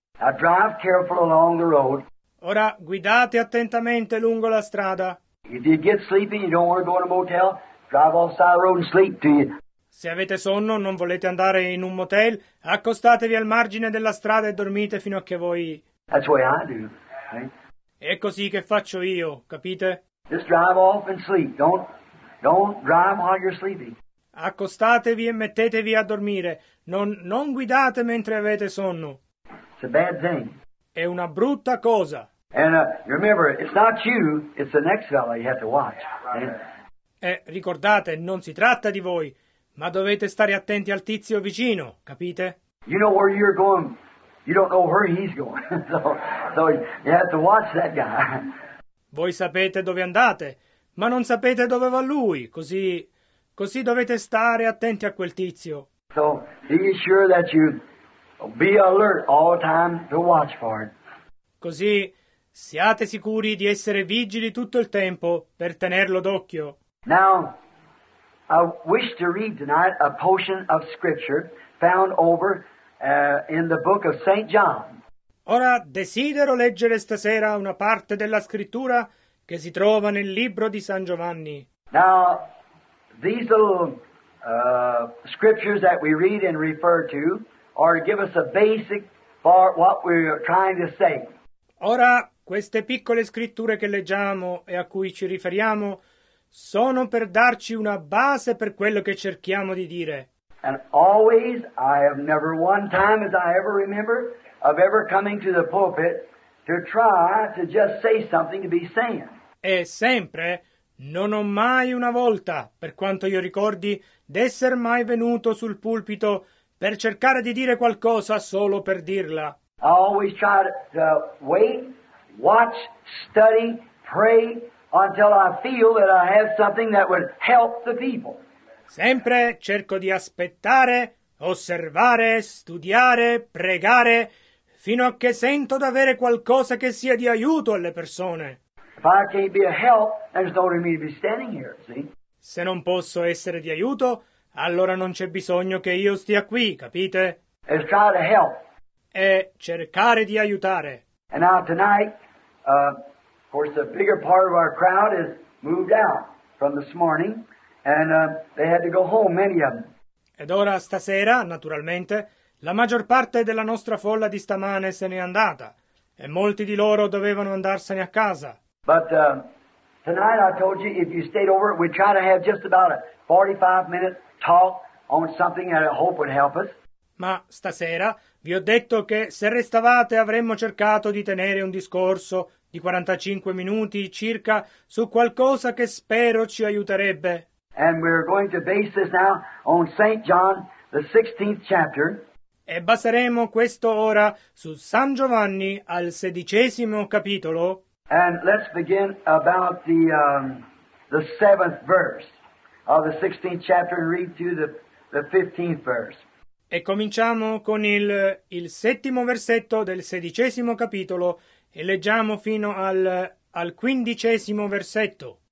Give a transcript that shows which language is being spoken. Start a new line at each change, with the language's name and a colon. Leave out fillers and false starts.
English: Now drive careful along the road.
Italian: Ora, guidate attentamente lungo la strada.
English: If you get sleepy, you don't want to go to a motel, drive off the side of the road and sleep till you...
Italian: Se avete sonno, non volete andare in un motel, accostatevi al margine della strada e dormite fino a che voi...
English: That's the way I do, right?
Italian: È così che faccio io, capite?
English: Just drive off and sleep. Don't drive while you're sleeping.
Italian: Accostatevi e mettetevi a dormire. Non guidate mentre avete sonno.
English: It's a bad thing.
Italian: È una brutta cosa.
English: And remember, it's not you, it's the next fella you have to watch.
Italian: E ricordate, non si tratta di voi, ma dovete stare attenti al tizio vicino, capite?
English: You know where you're going, you don't know where he's going. So you have to watch that guy.
Italian: Voi sapete dove andate, ma non sapete dove va lui, così dovete stare attenti a quel tizio.
English: So be sure that you be alert all the time to watch for it.
Italian: Così siate sicuri di essere vigili tutto il tempo per tenerlo d'occhio.
English: Now I wish to read tonight a portion of scripture found over in the book of St. John.
Italian: Ora desidero leggere stasera una parte della scrittura che si trova nel libro di San Giovanni.
English: Now, these little scriptures that we read and refer to are give us a basic for what we're trying to say.
Italian: Ora, queste piccole scritture che leggiamo e a cui ci riferiamo sono per darci una base per quello che cerchiamo di dire.
English: And always, I have never one time as I ever remember of ever coming to the pulpit to try to just say something to be saying.
Italian: E sempre, non ho mai una volta, per quanto io ricordi, d'esser mai venuto sul pulpito per cercare di dire qualcosa solo per dirla.
English: I always try to wait, watch, study, pray until I feel that I have something that would help the people.
Italian: Sempre cerco di aspettare, osservare, studiare, pregare, fino a che sento d'avere qualcosa che sia di aiuto alle persone.
English: If I can't be a help, there's no need to be standing here, see?
Italian: Se non posso essere di aiuto, allora non c'è bisogno che io stia qui, capite?
English: It's try to help.
Italian: E cercare di aiutare.
English: And now tonight, of course, the bigger part of our crowd has moved out from this morning, and they had to go home, many of them.
Italian: Ed ora stasera, naturalmente, la maggior parte della nostra folla di stamane se n'è andata, e molti di loro dovevano andarsene a casa.
English: But tonight I told you, if you stayed over, we'd try to have just about a 45-minute talk on something that I hope would help us.
Italian: Ma stasera vi ho detto che se restavate avremmo cercato di tenere un discorso di 45 minuti circa su qualcosa che spero ci aiuterebbe.
English: And we're going to base this now on St. John, the 16th chapter.
Italian: E baseremo questo ora su San Giovanni al 16° capitolo.
English: And let's begin about the 7th verse of the 16th chapter and read through the 15th verse.
Italian: E cominciamo con il settimo versetto del 16° capitolo e leggiamo fino al 15° versetto.